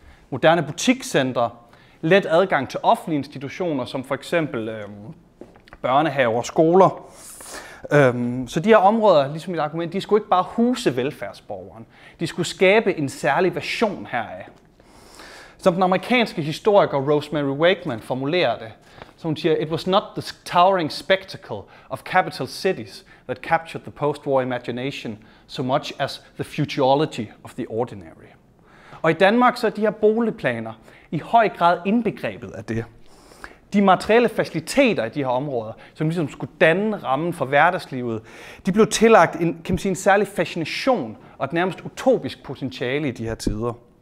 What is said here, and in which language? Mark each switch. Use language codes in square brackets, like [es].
[da] Moderne butikscentre, let adgang til offentlige institutioner, som for eksempel børnehaver og skoler. Så de her områder, ligesom mit argument, de skulle ikke bare huse velfærdsborgeren. De skulle skabe en særlig version heraf. Som den amerikanske historiker Rosemary Wakeman formulerer det, så hun siger, [en] it was not the towering spectacle of capital cities that captured the post-war imagination so much as the futurology of the ordinary. [da] Og i Danmark så er de her boligplaner i høj grad indbegrebet af det. De materielle faciliteter i de her områder, som ligesom skulle danne rammen for hverdagslivet, de blev tillagt en, kan man sige, en særlig fascination og et nærmest utopisk potentiale i de her tider.